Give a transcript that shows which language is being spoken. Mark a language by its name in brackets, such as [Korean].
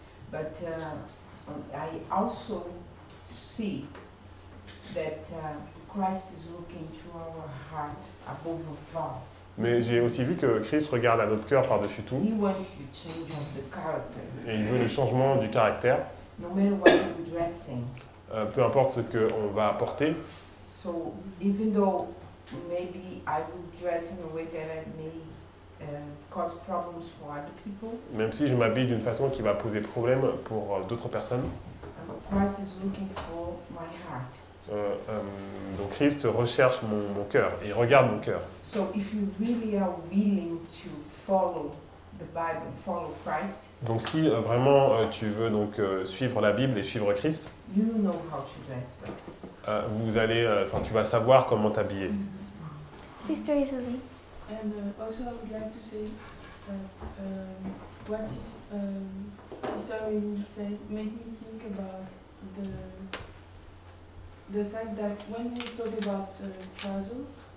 [English] But I also see that Christ is looking to our heart above all. [French] Mais j'ai aussi vu que Christ regarde à notre cœur par-dessus tout. [English] He wants the change of the character. [French] Et il veut le changement du caractère. [English] No matter what you're dressing. [French] Peu importe ce que on va porter. [English] So even though maybe I will dress in a way that may cause problems for other people. [French] Même si je m'habille d'une façon qui va poser problème pour d'autres personnes. [English] Christ is looking for my heart. [French] Donc Christ recherche mon cœur et regarde mon cœur. [English] So if you really are willing to follow the Bible, follow Christ. [French] Donc si vraiment tu veux donc suivre la Bible et suivre Christ. [English] You know how to dress. But... [French] Vous allez, enfin, tu vas savoir comment t'habiller. [English] Sister Isabel. And also, I would like to say that what Sister Isabel said made me think about the fact that when we talk about trousers,